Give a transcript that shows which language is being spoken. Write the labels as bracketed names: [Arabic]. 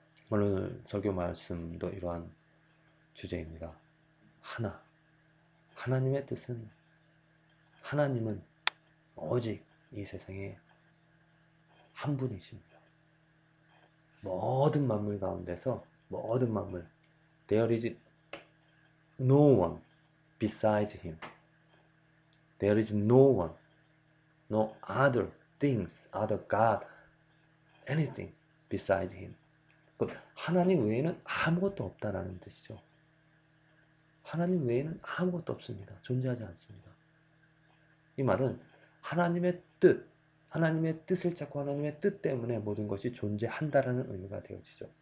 [Korean] 오늘 설교 말씀도 이러한 주제입니다. 하나. 하나님의 뜻은, 하나님은 오직 이 세상에 한 분이십니다. 모든 만물 가운데서 모든 만물, [English] There is no one besides him. There is no one, no other things, other God, anything besides him. [Korean] 곧 하나님 외에는 아무것도 없다라는 뜻이죠. 하나님 외에는 아무것도 없습니다. 존재하지 않습니다. 이 말은 하나님의 뜻을 찾고 하나님의 뜻 때문에 모든 것이 존재한다라는 의미가 되어지죠.